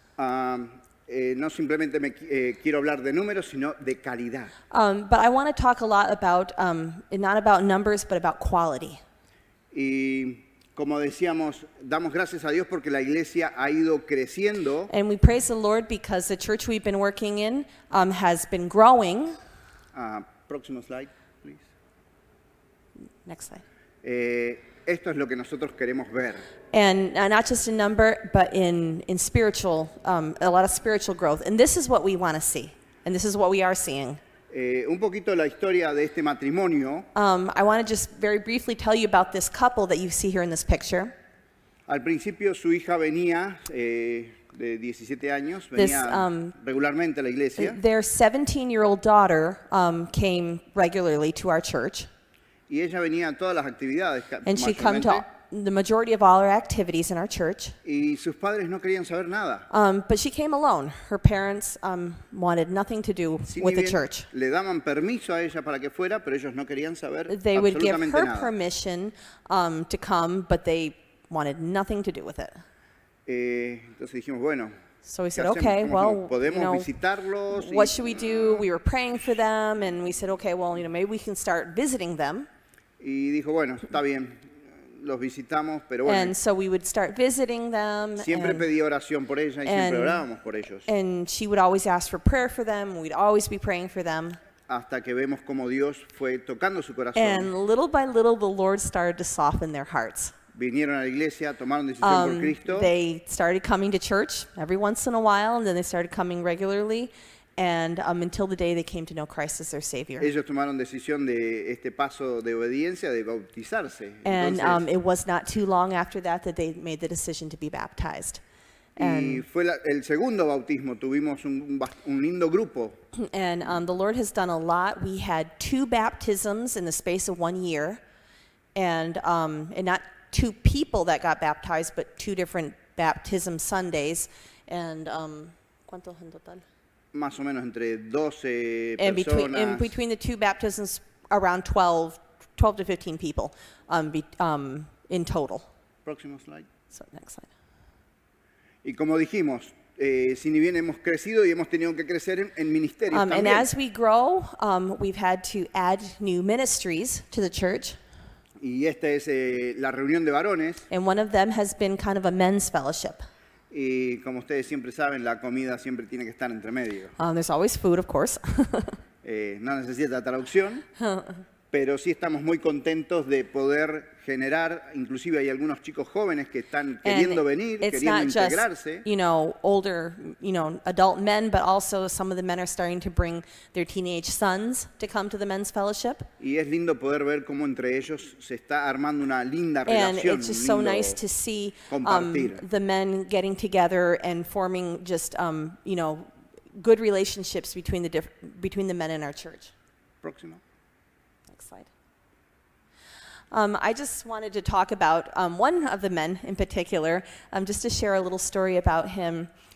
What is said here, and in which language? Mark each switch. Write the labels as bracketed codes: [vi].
[es] No simplemente me quiero hablar de números, sino de calidad. [en] But I want to talk a lot about, not about numbers, but about quality. [es] Y como decíamos, damos gracias a Dios porque la iglesia ha ido creciendo. [en] And we praise the Lord because the church we've been working in has been growing. [es] Próximo [en] slide, please. Next slide. [es] Esto es lo que nosotros queremos ver. [en] And not just in number, but in spiritual, a lot of spiritual growth. And this is what we want to see. And this is what we are seeing. [es] Un poquito la historia de este matrimonio. [en] I want to just very briefly tell you about this couple that you see here in this picture. [es] Al principio su hija venía de 17 años, venía regularmente a la iglesia. [en] Their 17-year-old daughter came regularly to our church. [es] Y ella venía a todas las actividades, [en] and she came to the majority of all our activities in our church. [es] Y sus padres no querían saber nada. [en] But she came alone. Her parents wanted nothing to do with the church. [es] Le daban permiso a ella para que fuera, pero ellos no querían saber. [en] They would give her [es] nada. [en] Permission to come, but they wanted nothing to do with it. [es] Entonces dijimos, bueno. [en] So we said, okay, well, [es] podemos, [en] you know, [es] visitarlos, [en] what should we do? We were praying for them, and we said, okay, well, you know, maybe we can start visiting them. [es] Y dijo, bueno, está bien, los visitamos, pero bueno. [en] And so we would start visiting them. [es] Siempre pedí oración por ella y siempre orábamos por ellos. [en] And she would always ask for prayer for them, and we'd always be praying for them. [es] hasta que vemos como Dios fue tocando su corazón. [en] And little by little, the Lord started to soften their hearts. [es] Vinieron a la iglesia, tomaron decisión por Cristo. [en] They started coming to church every once in a while, and then they started coming regularly, and until the day they came to know Christ as their Savior. [es] Ellos tomaron decisión de este paso de obediencia, de bautizarse. [en] And it was not too long after that that they made the decision to be baptized. [es] And, y fue la, el segundo bautismo. Tuvimos un lindo grupo. [en] And the Lord has done a lot. We had two baptisms in the space of 1 year, and not two people that got baptized, but two different baptism Sundays. [es] And ¿cuánto en total? Más o menos entre 12 personas. [en] And between the two baptisms, around 12 to 15 people in total. [es] Próximo slide. [en] So next slide. [es] Y como dijimos, si ni bien hemos crecido y hemos tenido que crecer en ministerios también. [en] And as we grow, we've had to add new ministries to the church. [es] Y esta es la reunión de varones. [en] And one of them has been kind of a men's fellowship. [es] Y como ustedes siempre saben, la comida siempre tiene que estar entre medio. [en] There's always food, of course. [es] no necesita traducción. Pero sí estamos muy contentos de poder generar, inclusive hay algunos chicos jóvenes que están queriendo venir, queriendo integrarse. [en] Just, you know, older, you know, adult men, but also some of the men are starting to bring their teenage sons to come to the men's fellowship. [es] Y es lindo poder ver cómo entre ellos se está armando una linda relación. [en] And it's just so nice to see the men getting together and forming just, you know, good relationships between the men in our church. [es] Próximo. [en] I just wanted to talk about one of the men in particular, just to share a little story about him.